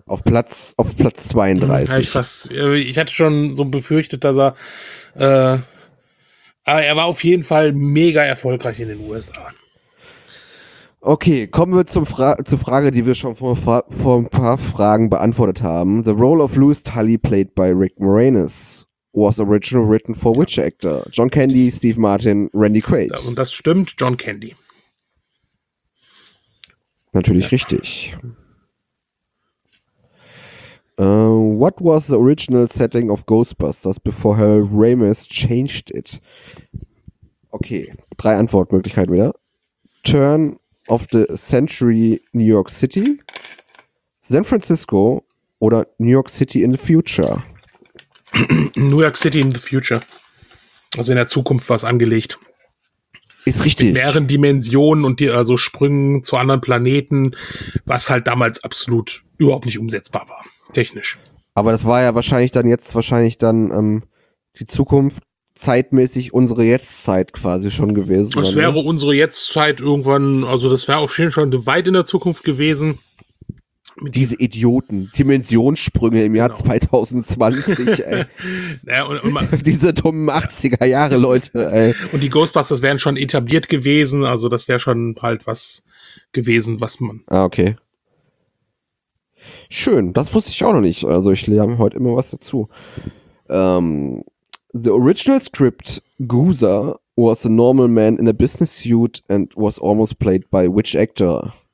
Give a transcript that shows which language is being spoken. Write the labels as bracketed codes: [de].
[de] auf Platz 32. Ja, ich hatte schon so befürchtet, dass er aber er war auf jeden Fall mega erfolgreich in den USA. Okay, kommen wir zur Frage, die wir schon vor ein paar Fragen beantwortet haben. [en] The role of Louis Tully, played by Rick Moranis, was originally written for which actor? John Candy, Steve Martin, Randy Quaid. [de] Und das stimmt, John Candy. Natürlich richtig. [en] What was the original setting of Ghostbusters before Harold Ramis changed it? [de] Okay, drei Antwortmöglichkeiten wieder. [en] Turn of the century New York City, San Francisco oder New York City in the future? New York City in the future. [de] Also in der Zukunft war es angelegt. Ist richtig. Mit mehreren Dimensionen und die also Sprüngen zu anderen Planeten, was halt damals absolut überhaupt nicht umsetzbar war. Technisch. Aber das war ja wahrscheinlich dann die Zukunft zeitmäßig unsere Jetztzeit quasi schon gewesen. Das wäre unsere Jetztzeit irgendwann, also das wäre auf jeden Fall weit in der Zukunft gewesen. Diese Idioten, Dimensionssprünge im Jahr 2020, ey. Naja, diese dummen 80er Jahre, Leute, ey. Und die Ghostbusters wären schon etabliert gewesen, also das wäre schon halt was gewesen, was man. Ah, okay. Schön, das wusste ich auch noch nicht. Also ich lerne heute immer was dazu. [en] The original script, Goozer, was a normal man in a business suit and was almost played by which actor?